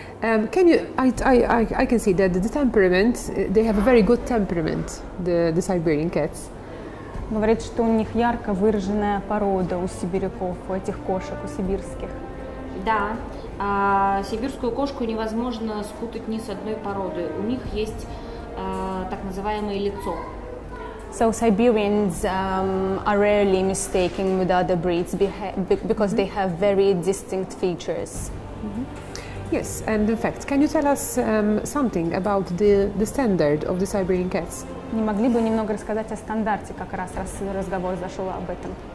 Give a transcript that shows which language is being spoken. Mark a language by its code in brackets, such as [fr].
[en] I can see that the temperament, they have a very good temperament, the Siberian cats. [ru] Говорит, что у них ярко выраженная порода у сибиряков, у этих кошек, у сибирских. Да, сибирскую кошку невозможно спутать ни с одной породой. У них есть так называемое лицо. [en] So Siberians are rarely mistaken with other breeds because they have very distinct features. Yes, and in fact, can you tell us something about the standard of the Siberian cats? [ru] Не могли бы немного рассказать о стандарте, как раз разговор зашел об этом?